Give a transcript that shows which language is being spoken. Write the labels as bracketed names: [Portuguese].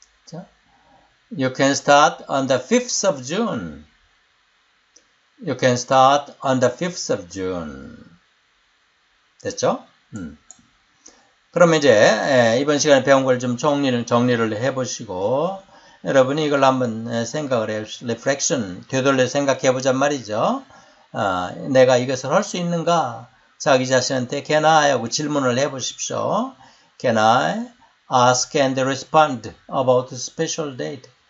[English] 자, you can start on the 5th of June. You can start on the 5th of June. [Korean] 됐죠? 그럼 이제 이번 시간에 배운 걸 좀 정리를 해보시고 여러분이 이걸 한번 생각을 해 reflection 되돌려 생각해 보잔 말이죠. 내가 이것을 할 수 있는가? 자기 자신한테 [English] can I? [Korean] 하고 질문을 해보십시오. [English] Can I ask and respond about a special date?